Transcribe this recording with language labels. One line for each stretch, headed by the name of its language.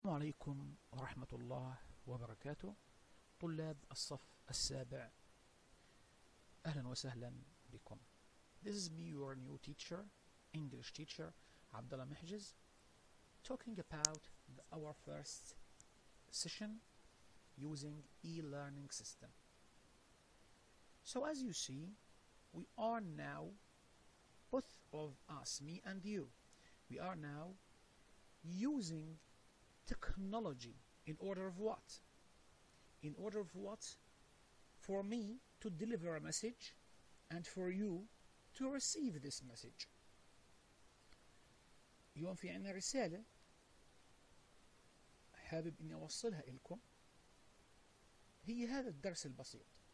Arabic: عليكم ورحمة الله وبركاته. طلاب الصف السابع، أهلا وسهلا بكم.
English: This is me, your new teacher, English teacher, Abdullah Mihjiz, talking about our first session using e-learning system. So as you see, we are now, both of us, me and you, we are now using technology. In order of what? In order of what? For me to deliver a message and for you to receive this message.
Arabic: اليوم في عنا رسالة حابب اني اوصلها لكم، هي هذا الدرس البسيط.